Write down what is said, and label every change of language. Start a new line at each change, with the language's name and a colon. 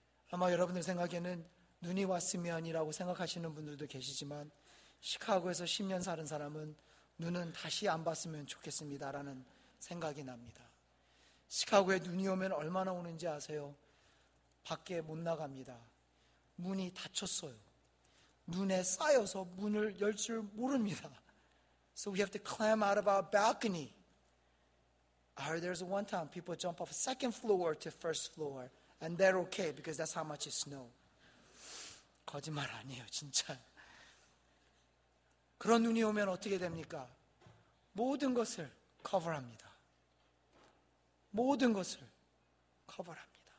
Korean: 아마 여러분들 생각에는 눈이 왔으면이라고 생각하시는 분들도 계시지만 시카고에서 10년 사는 사람은 눈은 다시 안 봤으면 좋겠습니다라는 생각이 납니다. 시카고에 눈이 오면 얼마나 오는지 아세요? 밖에 못 나갑니다. 문이 닫혔어요. 눈에 쌓여서 문을 열 줄 모릅니다.
English: So we have to climb out of our balcony. I heard there's one time people jump off second floor to first floor and they're okay because that's how much it snow.
Korean: 거짓말 아니에요, 진짜. 그런 눈이 오면 어떻게 됩니까? 모든 것을 커버합니다. 모든 것을 커버합니다.